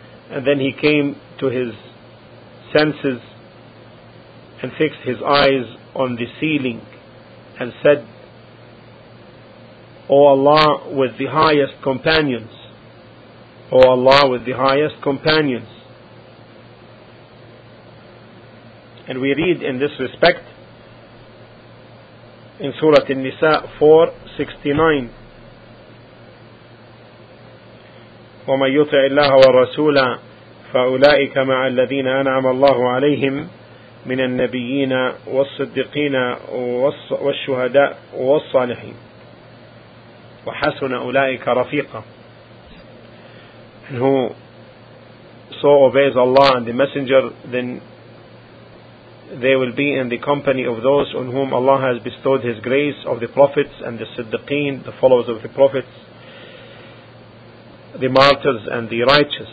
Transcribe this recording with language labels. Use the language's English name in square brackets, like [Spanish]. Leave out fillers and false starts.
[English] and then he came to his senses and fixed his eyes on the ceiling and said, O Allah with the highest companions, O Allah with the highest companions. And we read in this respect in Surah An-Nisa 4:69, [Arabic] وَمَنْ يُطِعِ اللَّهَ وَالرَّسُولَ فَأُولَئِكَ مَعَ الَّذِينَ أَنْعَمَ اللَّهُ عَلَيْهِمْ مِنَ النَّبِيِّينَ وَالصِّدِّقِينَ وَالشُّهَدَاءِ وَالصَّالِحِينَ وَحَسُنَ أُولَئِكَ رَفِيقًا. [English] And who so obeys Allah and the Messenger, then they will be in the company of those on whom Allah has bestowed His grace, of the prophets and the siddiqeen, the followers of the prophets, the martyrs and the righteous.